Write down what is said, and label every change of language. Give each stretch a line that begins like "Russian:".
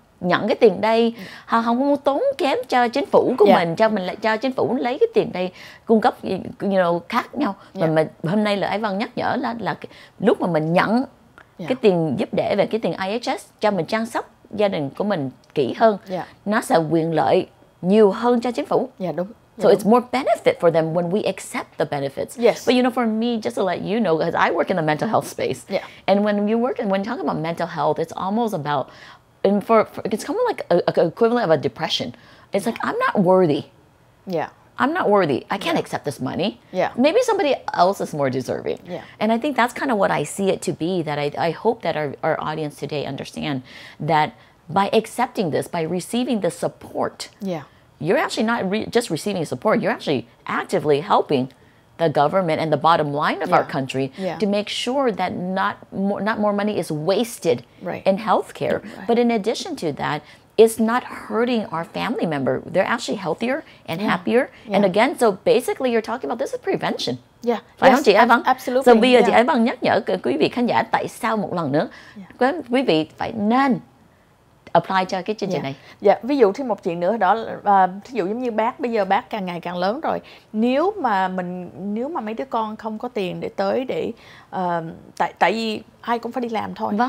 Vietnamese: nhận cái tiền đây, họ không muốn tốn kém cho chính phủ của mình, cho mình lại cho chính phủ lấy cái tiền đây cung cấp khác nhau. Mà hôm nay là Ái Vân nhắc nhở là lúc mà mình nhận cái tiền giúp đỡ về cái tiền IHS cho mình chăm sóc gia đình của mình kỹ hơn, nó sẽ quyền lợi nhiều hơn cho chính phủ.
English: So it's more benefit for them when we accept the benefits. Yes. But for me, just to let you know, because I work in the mental health space. And when you work and when you're talking about mental health, it's almost about, and for it's kind of like a equivalent of a depression. It's like, I'm not worthy. I'm not worthy. I can't accept this money. Maybe somebody else is more deserving. And I think that's kind of what I see it to be, that I hope that our audience today understand that by accepting this, by receiving the support, you're actually not just receiving support. You're actually actively helping the government and the bottom line of our country to make sure that not more money is wasted in healthcare. But in addition to that, it's not hurting our family member. They're actually healthier and happier. And again, so basically you're talking about this is prevention.
Vietnamese: Phải không chị Ái Vân?
English: Absolutely.
Vietnamese: So bây giờ chị Ái Vân nhắc nhở quý vị khán giả tại sao một lần nữa quý vị phải nên apply cho cái chương trình này. Ví dụ thêm một chuyện nữa đó là ví dụ giống như bác bây giờ bác càng ngày càng lớn rồi. Nếu mà mình mấy đứa con không có tiền để tới để tại vì ai cũng phải đi làm thôi.